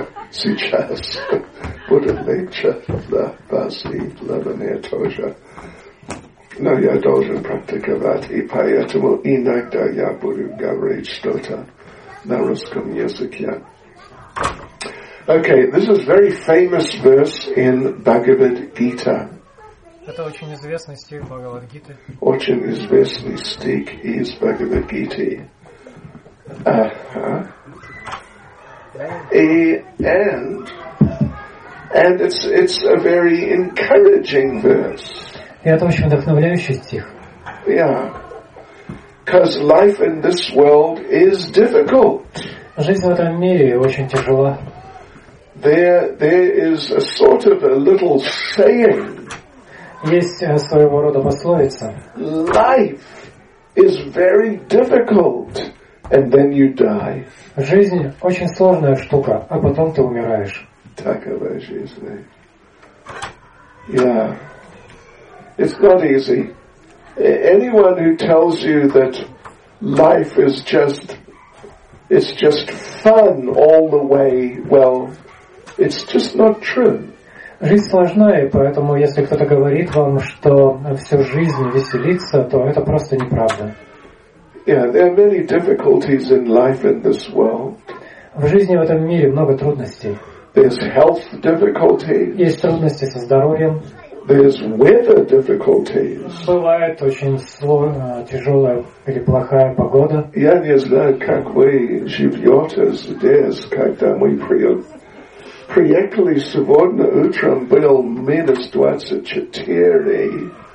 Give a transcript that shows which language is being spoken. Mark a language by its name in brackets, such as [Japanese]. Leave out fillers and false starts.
[Russian] Сейчас буду легче для вас и для меня тоже. Но я должен практиковать, и поэтому иногда я буду говорить что-то на русском языке. [English] Okay, this is very famous verse in Bhagavad Gita. [Russian] Это очень известный стих Бхагавад Гиты. Очень известный стих из Бхагавад Гиты. [English] And it's a very encouraging verse. [Russian] И это очень вдохновляющий стих. [English] Yeah. Because life in this world is difficult. [Russian] Жизнь в этом мире очень тяжела. [English] There is a sort of a little saying. [Russian] Есть своего рода пословица. [English] Life is very difficult, and then you die. [Russian] Жизнь очень сложная штука, а потом ты умираешь. Такова жизнь. [English] Yeah. It's not easy. Anyone who tells you that life is just fun all the way, well, it's just not true. [Russian] Жизнь сложная, поэтому если кто-то говорит вам, что всю жизнь веселиться, то это просто неправда. [English] Yeah, there are many difficulties in life in this world. [Russian] В жизни в этом мире много трудностей. [English] There's health difficulties. [Russian] Есть трудности со здоровьем. [English] There's weather difficulties. [Russian] Бывает очень тяжелая или плохая погода. Я не знаю, как вы живете здесь, когда мы приехали сегодня утром, был минус 24.